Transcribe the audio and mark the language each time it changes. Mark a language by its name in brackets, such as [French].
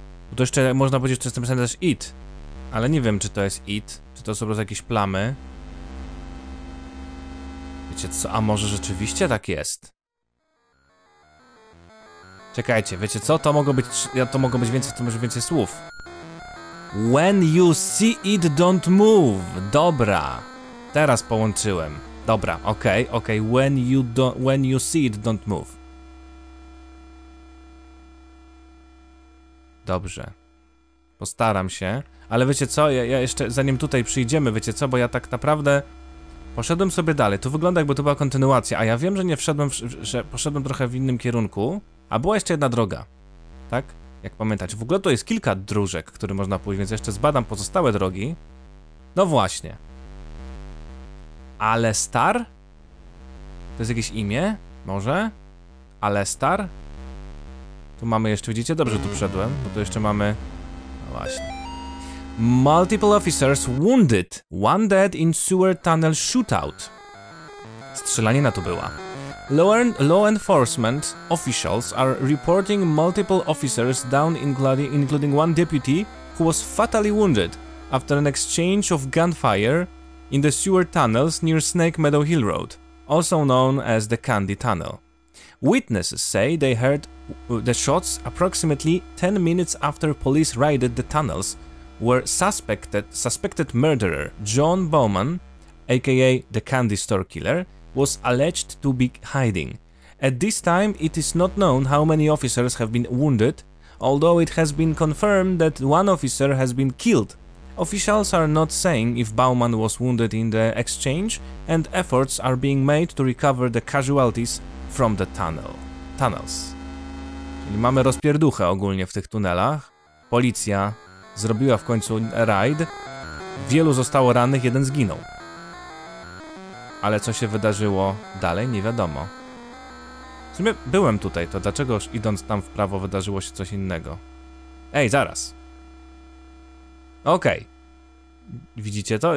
[Polish] Bo to jeszcze można powiedzieć, że jest napisane też it. Ale nie wiem, czy to jest it, czy to są po prostu jakieś plamy. Wiecie co, a może rzeczywiście tak jest? Czekajcie, wiecie co, to mogą być więcej, to może więcej słów. [English] When you see it, don't move. [Polish] Dobra. Teraz połączyłem. Dobra, okej. [English] When you see it, don't move. [Polish] Dobrze. Postaram się. Ale wiecie co, ja jeszcze zanim tutaj przyjdziemy, wiecie co, bo ja tak naprawdę poszedłem sobie dalej. To wygląda jakby to była kontynuacja, a ja wiem, że nie wszedłem, że poszedłem trochę w innym kierunku, a była jeszcze jedna droga, tak? Jak pamiętać. W ogóle to jest kilka dróżek, które można pójść, więc jeszcze zbadam pozostałe drogi. No właśnie. Alestar? To jest jakieś imię? Może? Alestar? Tu mamy jeszcze, widzicie? Dobrze, tu przeszedłem, bo tu jeszcze mamy... No właśnie. [English] Multiple officers wounded. One dead in sewer tunnel shootout. [Polish] Strzelanina tu była. [English] Law enforcement officials are reporting multiple officers down in Gladi, including one deputy who was fatally wounded after an exchange of gunfire in the sewer tunnels near Snake Meadow Hill Road, also known as the Candy Tunnel. Witnesses say they heard the shots approximately 10 minutes after police raided the tunnels, where suspected murderer John Bowman, aka the Candy Store Killer, was alleged to be hiding. At this time, it is not known how many officers have been wounded, although it has been confirmed that one officer has been killed. Officials are not saying if Bowman was wounded in the exchange, and efforts are being made to recover the casualties from the tunnels. [Polish] Czyli mamy rozpierduchę ogólnie w tych tunelach. Policja zrobiła w końcu rajd. Wielu zostało rannych, jeden zginął. Ale co się wydarzyło dalej, nie wiadomo. W sumie byłem tutaj, to dlaczego już idąc tam w prawo wydarzyło się coś innego? Ej, zaraz. Okej. Widzicie to?